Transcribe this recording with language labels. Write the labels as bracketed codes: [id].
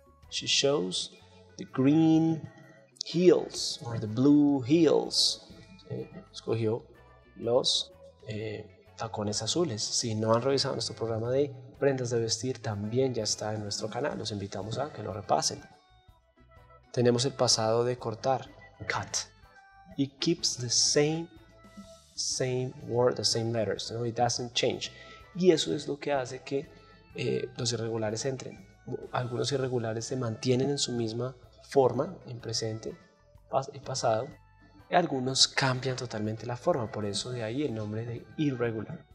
[en] She shows the green heels or the blue heels. [es] ¿Sí? Escogió los tacones azules. Si no han revisado nuestro programa de prendas de vestir, también ya está en nuestro canal. Los invitamos a que lo repasen. Tenemos el pasado de cortar. Cut. [en] It keeps the same word, the same letters. No, it doesn't change. [es] Y eso es lo que hace que los irregulares entren. Algunos irregulares se mantienen en su misma forma, en presente y pasado. Y algunos cambian totalmente la forma. Por eso de ahí el nombre de irregular.